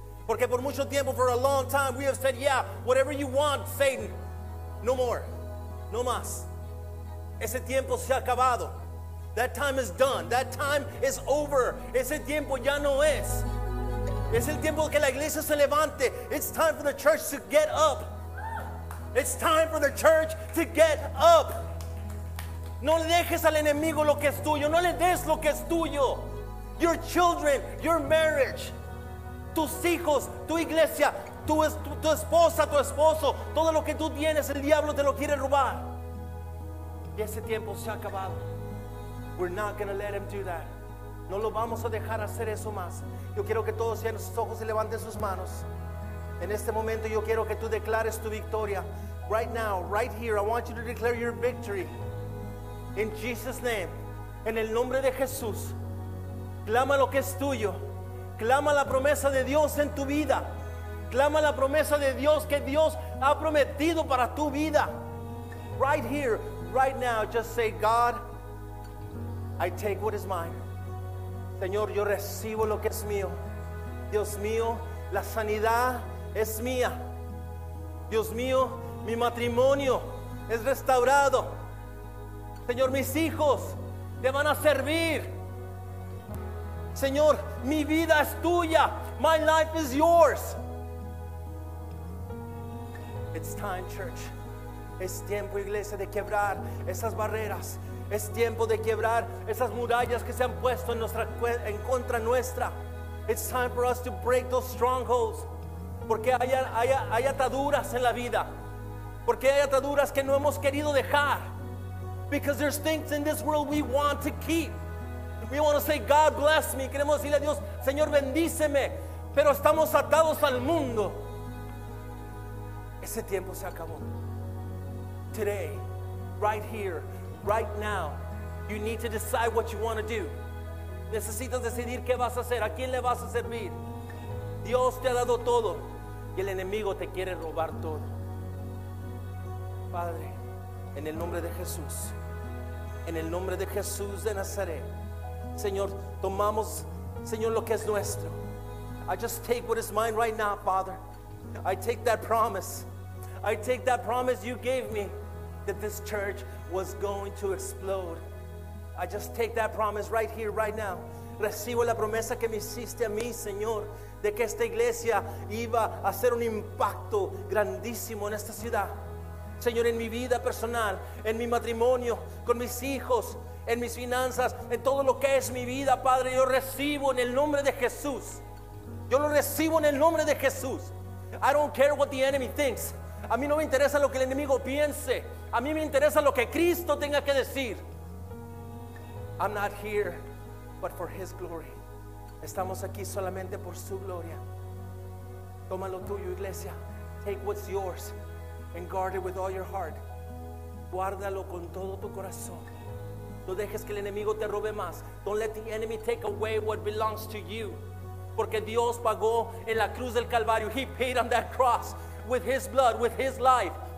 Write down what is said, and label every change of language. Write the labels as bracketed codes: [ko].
[es] Porque por mucho tiempo, [en] for a long time, we have said, yeah, whatever you want, Satan, no more, [es] no más. Ese tiempo se ha acabado. [en] That time is done. That time is over. [es] Ese tiempo ya no es. Es el tiempo que la iglesia se levante. [en] It's time for the church to get up. It's time for the church to get up. [es] No le dejes al enemigo lo que es tuyo. No le des lo que es tuyo. [en] Your children, your marriage, [es] tus hijos, tu iglesia, tu esposa, tu esposo, todo lo que tú tienes, el diablo te lo quiere robar. Y ese tiempo se ha acabado. [en] We're not going to let him do that. [es] No lo vamos a dejar hacer eso más. Yo quiero que todos cierren sus ojos y levanten sus manos. En este momento yo quiero que tú declares tu victoria. [en] Right now, right here, I want you to declare your victory. In Jesus' name, [es] en el nombre de Jesús. Clama lo que es tuyo. Clama la promesa de Dios en tu vida. Clama la promesa de Dios que Dios ha prometido para tu vida. [en] Right here, right now, just say, God, I take what is mine. [es] Señor, yo recibo lo que es mío. Dios mío, la sanidad es mía. Dios mío, mi matrimonio es restaurado. Señor, mis hijos te van a servir. Señor, mi vida es tuya. [en] My life is yours. It's time, church. [es] Es tiempo, iglesia, de quebrar esas barreras. Es tiempo de quebrar esas murallas que se han puesto en contra nuestra. [en] It's time for us to break those strongholds. [es] Porque hay ataduras en la vida. Porque hay ataduras que no hemos querido dejar. [en] Because there's things in this world we want to keep. We want to say, God bless me. [es] Queremos decirle a Dios, Señor, bendíceme. Pero estamos atados al mundo. Ese tiempo se acabó. [en] Today, right here, right now, you need to decide what you want to do. [es] Necesitas decidir qué vas a hacer, a quién le vas a servir. Dios te ha dado todo y el enemigo te quiere robar todo. Padre, en el nombre de Jesús, en el nombre de Jesús de Nazaret, Señor, tomamos, Señor, lo que es nuestro. [en] I just take what is mine right now, Father. I take that promise. I take that promise you gave me that this church was going to explode. I just take that promise right here, right now. [es] Recibo la promesa que me hiciste a mí, Señor, de que esta iglesia iba a hacer un impacto grandísimo en esta ciudad. Señor, en mi vida personal, en mi matrimonio, con mis hijos, en mis finanzas, en todo lo que es mi vida, Padre, yo recibo en el nombre de Jesús. Yo lo recibo en el nombre de Jesús. [en] I don't care what the enemy thinks. [es] A mí no me interesa lo que el enemigo piense. A mí me interesa lo que Cristo tenga que decir. [en] I'm not here but for his glory. [es] Estamos aquí solamente por su gloria. Toma lo tuyo, iglesia. [en] Take what's yours and guard it with all your heart. [es] Guárdalo con todo tu corazón. No dejes que el enemigo te robe más. [en] Don't let the enemy take away what belongs to you. [es] Porque Dios pagó en la cruz del Calvario. [en] He paid on that cross with his blood, with his life.